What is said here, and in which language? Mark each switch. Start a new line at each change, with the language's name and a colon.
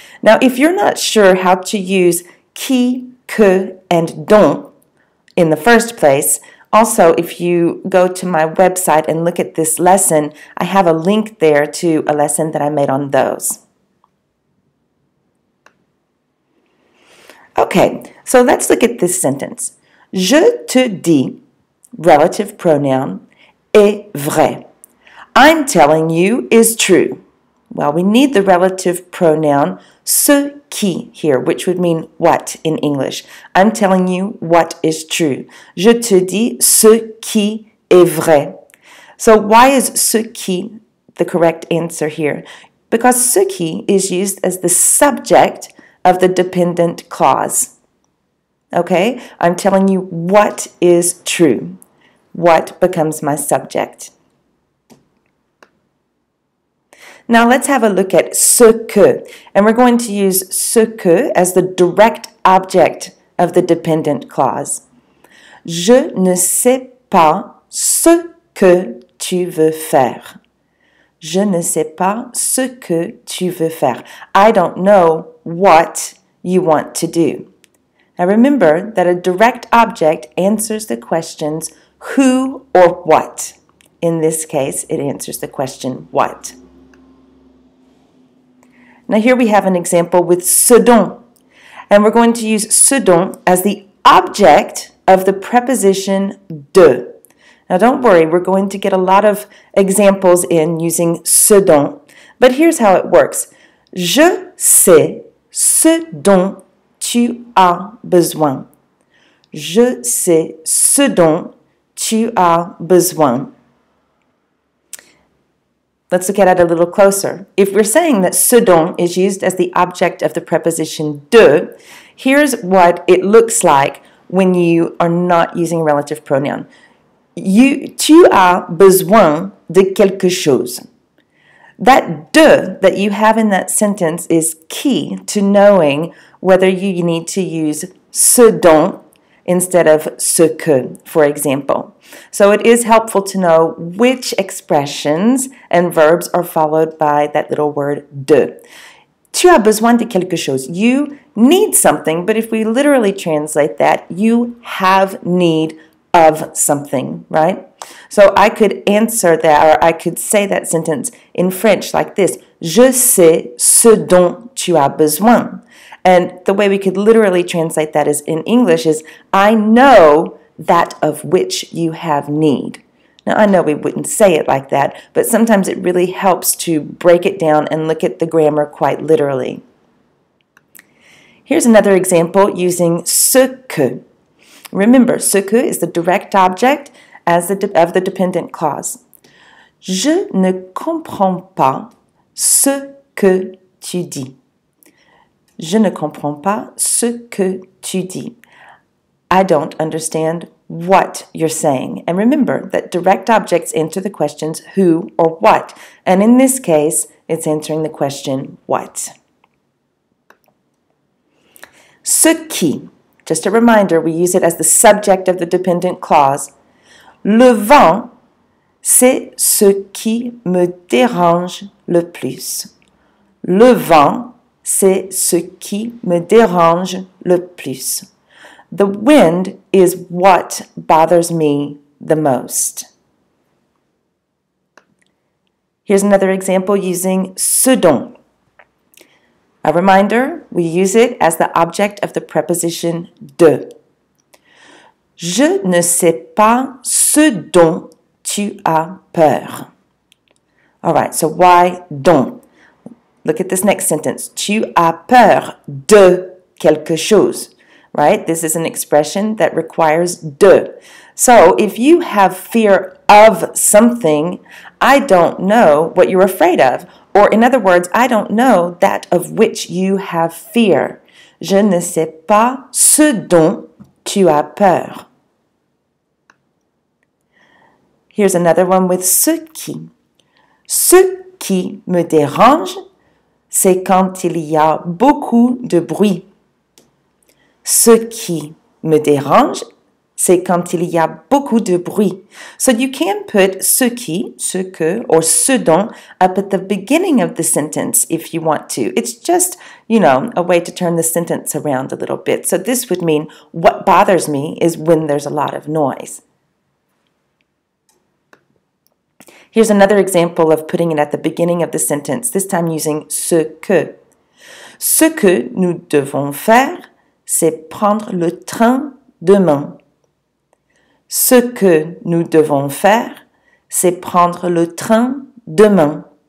English: Now, if you're not sure how to use qui, que, and dont in the first place, also, if you go to my website and look at this lesson, I have a link there to a lesson that I made on those. Okay, so let's look at this sentence.
French: Je te dis,
English: relative pronoun,
French: est vrai.
English: I'm telling you is true. Well, we need the relative pronoun ce qui here, which would mean what in English. I'm telling you what is true.
French: Je te dis ce qui est vrai.
English: So why is ce qui the correct answer here? Because ce qui is used as the subject of the dependent clause. Okay, I'm telling you what is true. What becomes my subject. Now let's have a look at ce que, and we're going to use ce que as the direct object of the dependent clause.
French: Je ne sais pas ce que tu veux faire. Je ne sais pas ce que tu veux faire.
English: I don't know what you want to do. Now remember that a direct object answers the questions who or what. In this case, it answers the question what. Now here we have an example with ce dont, and we're going to use ce dont as the object of the preposition de. Now don't worry, we're going to get a lot of examples in using ce dont, but here's how it works.
French: Je sais ce dont tu as besoin. Je sais ce dont tu as besoin.
English: Let's look at it a little closer. If we're saying that ce dont is used as the object of the preposition de, here's what it looks like when you are not using a relative pronoun.
French: Tu as besoin de quelque chose.
English: That de that you have in that sentence is key to knowing whether you need to use ce dont instead of ce que, for example. So it is helpful to know which expressions and verbs are followed by that little word de.
French: Tu as besoin de quelque chose.
English: You need something, but if we literally translate that, you have need of something, right? So I could answer that, or I could say that sentence in French like this.
French: Je sais ce dont tu as besoin.
English: And the way we could literally translate that is in English is, I know that of which you have need. Now, I know we wouldn't say it like that, but sometimes it really helps to break it down and look at the grammar quite literally. Here's another example using ce que. Remember, ce que is the direct object as of the dependent clause.
French: Je ne comprends pas ce que tu dis. Je ne comprends pas ce que tu dis.
English: I don't understand what you're saying. And remember that direct objects answer the questions who or what. And in this case, it's answering the question what. Ce qui, just a reminder, we use it as the subject of the dependent clause.
French: Le vent, c'est ce qui me dérange le plus. Le vent, c'est ce qui me dérange le plus.
English: The wind is what bothers me the most. Here's another example using ce dont. A reminder, we use it as the object of the preposition de.
French: Je ne sais pas ce dont tu as peur.
English: All right, so why don't? Look at this next sentence.
French: Tu as peur de quelque chose, right?
English: This is an expression that requires de. So if you have fear of something, I don't know what you're afraid of. Or in other words, I don't know that of which you have fear.
French: Je ne sais pas ce dont tu as peur.
English: Here's another one with ce qui.
French: Ce qui me dérange, c'est quand il y a beaucoup de bruit. Ce qui me dérange, c'est quand il y a beaucoup de bruit.
English: So you can put ce qui, ce que, or ce dont up at the beginning of the sentence if you want to. It's just, you know, a way to turn the sentence around a little bit. So this would mean what bothers me is when there's a lot of noise. Here's another example of putting it at the beginning of the sentence, this time using ce que.
French: Ce que nous devons faire, c'est prendre le train demain. Ce que nous devons faire, c'est prendre le train demain.